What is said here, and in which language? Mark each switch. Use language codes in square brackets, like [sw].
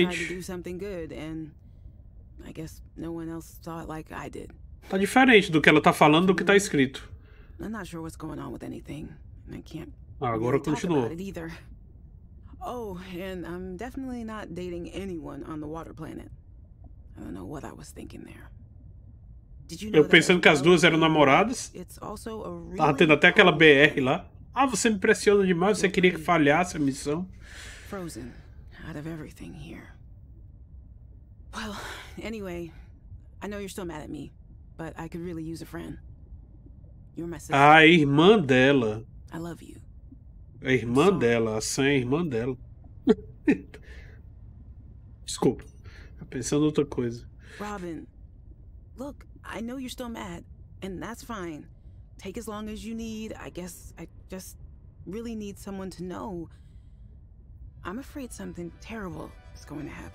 [en] I tried to do something good, and I guess no one else saw it like I did. [pt] Tá diferente do que ela tá falando do que tá escrito. [en] I'm not sure what's going on with anything, and I can't. [pt] Ah, agora continua. [en] Talk about it either. Oh, and I'm definitely not dating anyone on the water planet. I don't know what I was thinking there. Did you know? [pt] Eu pensando que as duas eram namoradas. Tava tendo até aquela BR lá. Ah, você me pressiona demais, você queria que falhasse a missão. [en] Frozen out of everything here. Well, anyway, I know you're still mad at me, but I could really use a friend. You're my sister. [pt] A irmã dela. [en] I love you. [pt] A irmã dela, a sem irmã dela. Desculpa. Tá pensando outra coisa. [en] Robin, look, I know you're still mad, and that's fine. Take as long as you need. I guess I just really need someone to know. I'm afraid something terrible is going to happen.